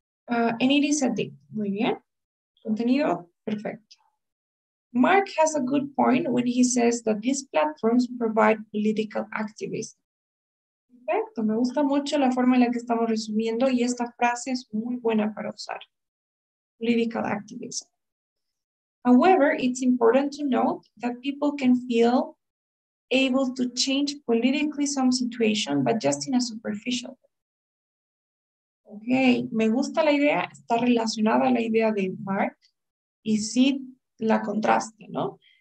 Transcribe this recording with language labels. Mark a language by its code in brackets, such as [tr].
[en] And it is addictive. [es] Muy bien. Contenido, perfecto. [en] Mark has a good point when he says that these platforms provide political activism. [es] Perfecto. Me gusta mucho la forma en la que estamos resumiendo y esta frase es muy buena para usar. [en] Political activism. However, it's important to note that people can feel able to change politically some situation, but just in a superficial way. [es] Ok, me gusta la idea, está relacionada a la idea de Mark y sí la contraste, ¿no?